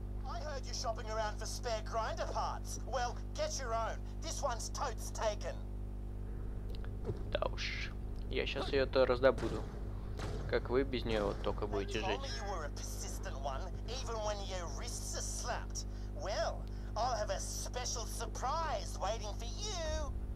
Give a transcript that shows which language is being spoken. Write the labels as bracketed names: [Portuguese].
[English] I heard you shopping around for spare grinder parts. Well, get your own. This one's totes taken. [Russian] Да уж, я сейчас ее то раздобуду. Как вы без нее вот только будете жить? [English] You were a persistent one, even when your wrists are slapped. Well, I'll have a special surprise waiting for you.